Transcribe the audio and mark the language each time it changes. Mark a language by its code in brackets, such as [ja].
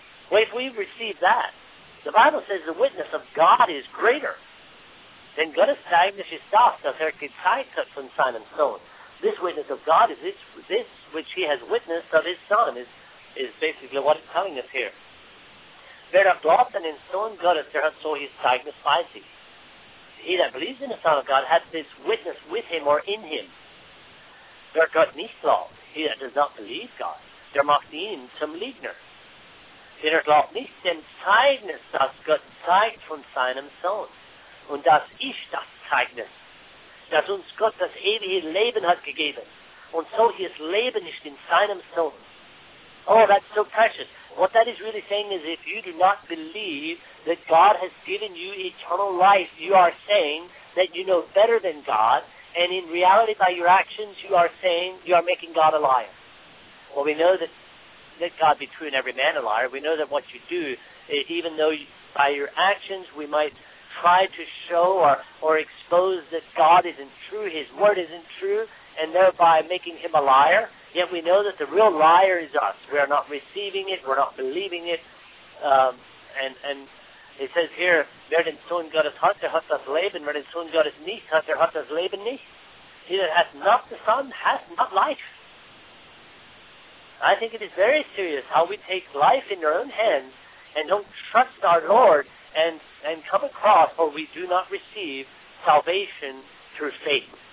[en] Well, if we receive that, the Bible says the witness of God is greater. Then God is from Simon Stone. This witness of God is this which he has witnessed of his son, is basically what it's telling us here. [de] Wer da glaubt an den Sohn Gottes, der hat so his Zeugnis bei sich. [en] He that believes in the Son of God has this witness with him or in him. [de] Wer Gott nicht glaubt, [en] he that does not believe God, [de] der macht ihn zum Lügner. Wer glaubt nicht dem Zeugnis, das Gott zeigt von seinem Sohn. Und das ist das Zeugnis, das uns Gott das ewige Leben hat gegeben. Und so his Leben ist in seinem Sohn. [en] Oh, that's so precious. What that is really saying is if you do not believe that God has given you eternal life, you are saying that you know better than God, and in reality by your actions you are saying you are making God a liar. Well, we know that let God be true and every man a liar. We know that what you do, even though by your actions we might try to show or expose that God isn't true, his word isn't true, and thereby making him a liar, yet we know that the real liar is us. We are not receiving it. We're not believing it. And it says here, [de] wer den Sohn Gottes hat, der hat das Leben. Wer den Sohn Gottes nicht hat, der hat das Leben nicht. [en] He that hath not the Son hath not life. I think it is very serious how we take life in our own hands and don't trust our Lord and come across, or we do not receive salvation through faith.